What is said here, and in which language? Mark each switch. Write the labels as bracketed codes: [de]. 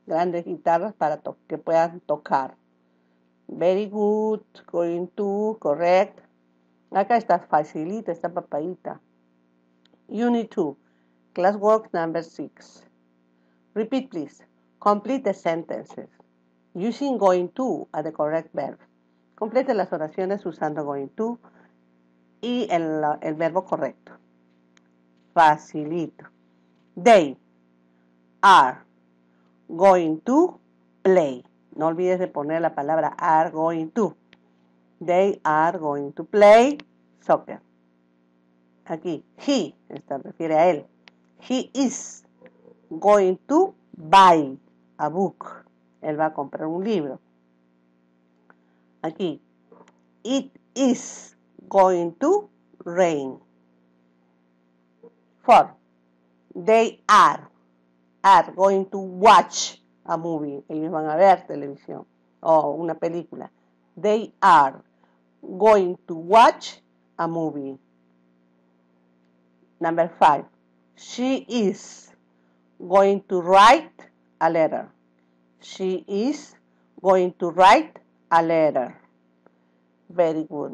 [es] Grandes guitarras para to que puedan tocar. [en] Very good, going to, correct. [es] Acá está facilita, está papayita. [en] Unit 2, classwork number 6. Repeat, please. Complete the sentences using going to as the correct verb. [es] Complete las oraciones usando going to y el verbo correcto. [en] Facilito. They are going to play. [es] No olvides de poner la palabra [en] are going to. They are going to play soccer. [es] Aquí, he, se refiere a él. [en] He is going to buy a book. [es] Él va a comprar un libro. Aquí, [en] it is going to rain. Four, they are going to watch a movie. [es] Ellos van a ver televisión o una película. [en] They are going to watch a movie. Number five. She is going to write a letter. She is going to write a letter. Very good.